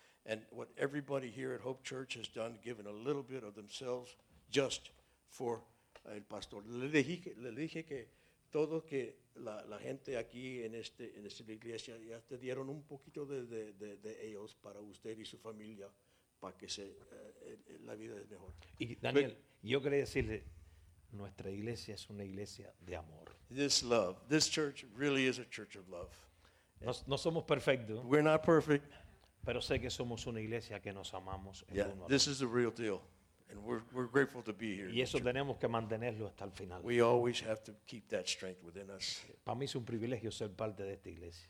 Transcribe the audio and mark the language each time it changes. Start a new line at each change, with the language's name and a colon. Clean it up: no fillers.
English: And what everybody here at Hope Church has done, given a little bit of themselves just for el pastor.
Spanish: Le dije que todo que la gente aquí en esta iglesia ya te dieron un poquito de ellos para usted y su familia para que la vida es mejor. Y Daniel, yo quería decirle, nuestra iglesia es una iglesia de amor.
English: This love, this church really is a church of love.
Spanish: No somos perfectos.
English: We're not perfect.
Spanish: Pero sé que somos una iglesia que nos amamos el
English: yeah,
Spanish: uno al otro.
English: This is the real deal. And we're grateful to be here.
Spanish: Y eso tenemos que mantenerlo hasta el final.
English: We always have to keep that strength within us.
Spanish: Para mí es un privilegio ser parte de esta iglesia.